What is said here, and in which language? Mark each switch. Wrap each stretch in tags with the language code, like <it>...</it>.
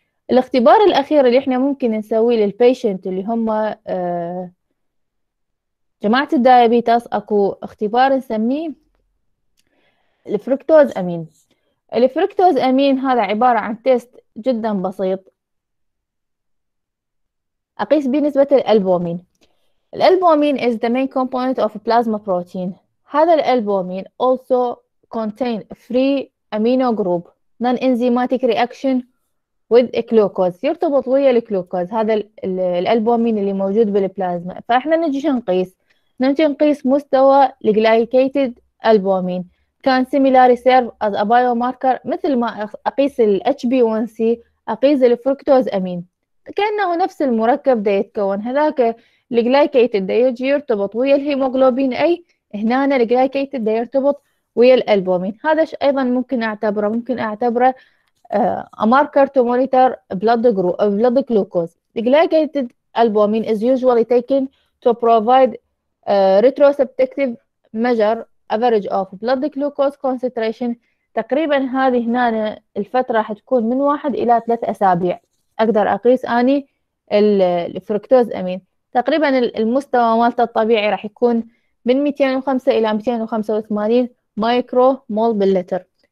<ar>الاختبار الاخير اللي احنا ممكن نسويه للبيشنت اللي هم جماعه الدايابيتس، اكو اختبار نسميه الفركتوز امين. الفركتوز امين هذا عباره عن تيست جدا بسيط، اقيس بيه نسبه الالبومين.</ar> <en>الالبومين is the main component of plasma protein.</en> <ar>هذا الالبومين</ar> <en>also contain free amino group non enzymatic reaction with glucose،</en> <ar>يرتبط ويا الجلوكوز هذا الالبومين اللي موجود بالبلازما. فاحنا نجي نقيس، نجي نقيس مستوى الجلايكيتد البومين</ar> <en>كان similar serve as a biomarker,</en> <ar>مثل ما اقيس ال HbA1c اقيس الفركتوز امين، كانه نفس المركب ده يتكون هذاك الجلايكيتد ده يجي يرتبط ويا الهيموغلوبين اي، هنا الجلايكيتد ده يرتبط ويا الالبومين. هذا ش ايضا ممكن اعتبره، ممكن اعتبره</ar> <en>a marker to monitor blood group blood glucose. The glycated albumin is usually taken to provide retrospective measure average of blood glucose concentration.</en> <ar>تقريبا هذه هنا الفترة حتكون من 1 إلى 3 أسابيع أقدر أقيس أني الفركتوز أمين. تقريبا المستوى مالته الطبيعي راح يكون من 205 إلى 285 مايكرو مول باللتر.</ar>